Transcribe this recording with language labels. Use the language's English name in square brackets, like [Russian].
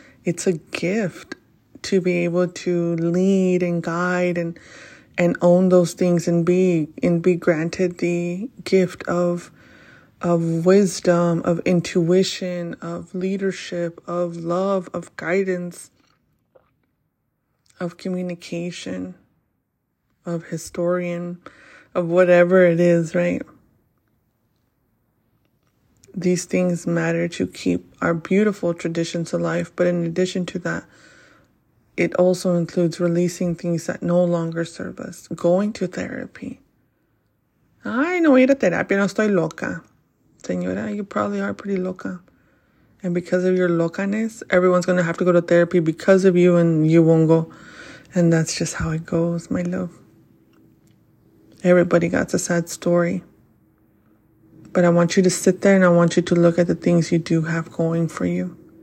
[English] It's a gift to be able to lead and guide and own those things and be granted the gift of wisdom, of intuition, of leadership, of love, of guidance, of communication, of historian, of whatever it is, right? These things matter to keep our beautiful traditions alive. But in addition to that, it also includes releasing things that no longer serve us. Going to therapy. [Spanish] Ay, no voy a ir a terapia, no estoy loca. [English] Señora, you probably are pretty loca. And because of your locaness, everyone's going to have to go to therapy because of you, and you won't go. And that's just how it goes, my love. Everybody got a sad story. But I want you to sit there and I want you to look at the things you do have going for you.